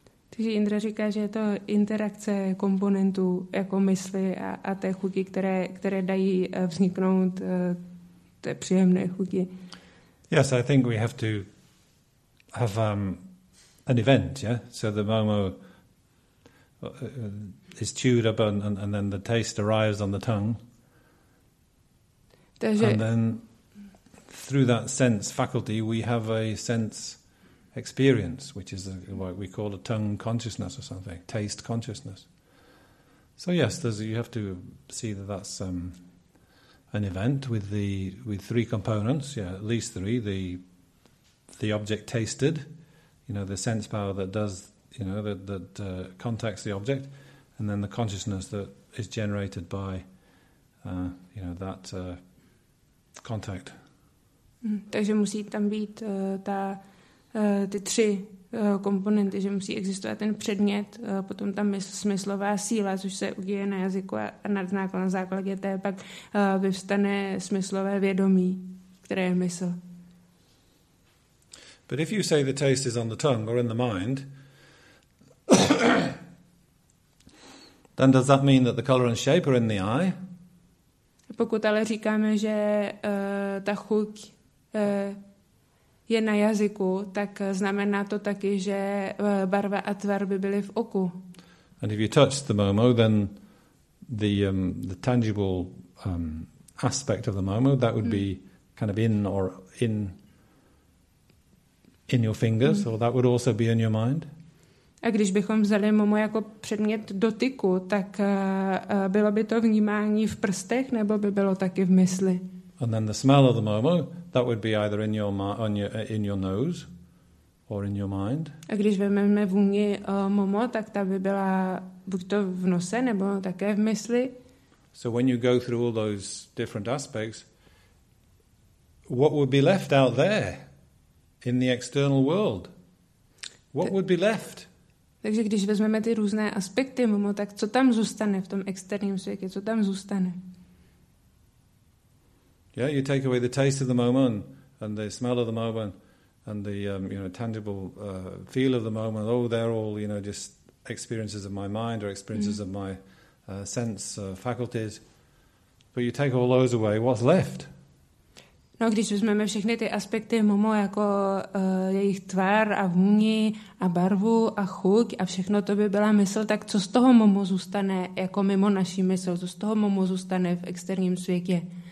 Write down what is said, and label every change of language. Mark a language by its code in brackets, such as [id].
[cs] Takže Indra říká, že je to interakce komponentů jako mysli a té chuti, které dají vzniknout té příjemné chuti. [en] Yes, I think we have to have an event, yeah? So the momo is chewed up and then the taste arrives on the tongue. [cs] Takže, [en] and then through that sense faculty we have a sense experience, which is what we call a tongue consciousness or something, taste consciousness. So yes, you have to see that that's an event with three components, yeah, at least three, the object tasted, you know, the sense power that does, you know, that contacts the object, and then the consciousness that is generated by, that contact. [cs] Takže musí tam být ta ty tři komponenty, že musí existovat ten předmět, potom ta smyslová síla, což se uděje na jazyku a na základě té, pak vyvstane smyslové vědomí, které je mysl. [en] But if you say the taste is on the tongue or in the mind, then does that mean that the color and shape are in the eye? [cs] Pokud ale říkáme, že ta chuť je na jazyku, tak znamená to taky, že barva a tvar by byly v oku. [en] And if you touch the momo, then the tangible aspect of the momo, that would be kind of in your fingers, or that would also be in your mind. [cs] A když bychom vzali momo jako předmět dotyku, tak bylo by to vnímání v prstech, nebo by bylo taky v mysli? [en] And then the smell of the momo, that would be either in your nose or in your mind. [cs] A když vezmeme vůni momo, tak ta by byla buď to v nose nebo také v mysli. [en] So when you go through all those different aspects, what would be left out there in the external world? What would be left? [cs] Takže když vezmeme ty různé aspekty momo, tak co tam zůstane v tom externím světě, co tam zůstane? [en] Yeah, you take away the taste of the moment and the smell of the moment and the tangible feel of the moment. Oh, they're all just experiences of my mind or experiences of my sense faculties. But you take all those away, what's left? [cs] No, když vezmeme všechny ty aspekty momo, jako jejich tvar a vůni a barvu a chuť a všechno to by byla mysl, tak co z toho momo zůstane jako mimo naší mysl? Co z toho momo zůstane v externím světě?